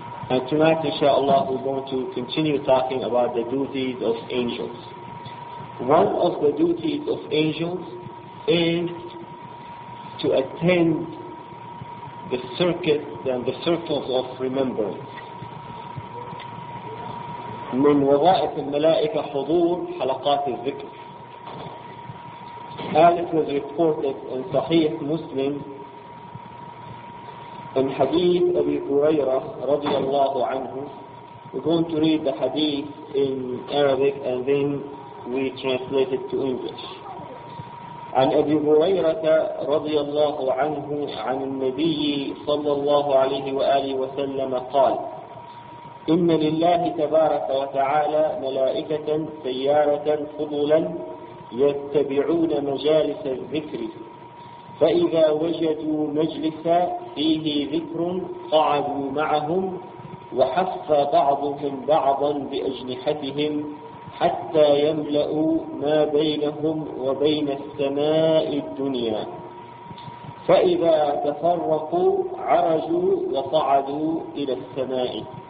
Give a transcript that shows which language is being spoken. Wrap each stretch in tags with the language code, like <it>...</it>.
<en>And tonight, inshaAllah, we're going to continue talking about the duties of angels. One of the duties of angels is to attend the circuit and the circles of remembrance.</en> <ar>من وظائف الملائكة حضور حلقات الذكر.</ar> <en>As it was reported in Sahih Muslim, in Hadith Abi Huraira</en> <ar>رضي الله عنه,</ar> <en>we're going to read the Hadith in Arabic and then we translate it to English.</en> <ar>عن أبي هريرة رضي الله عنه عن النبي صلى الله عليه وآله وسلم قال إن لله تبارك وتعالى ملائكة سيارة فضلا يتبعون مجالس الذكر فإذا وجدوا مجلسا فيه ذكر قعدوا معهم وحف بعضهم بعضا بأجنحتهم حتى يملأوا ما بينهم وبين السماء الدنيا فإذا تفرقوا عرجوا وصعدوا إلى السماء</ar>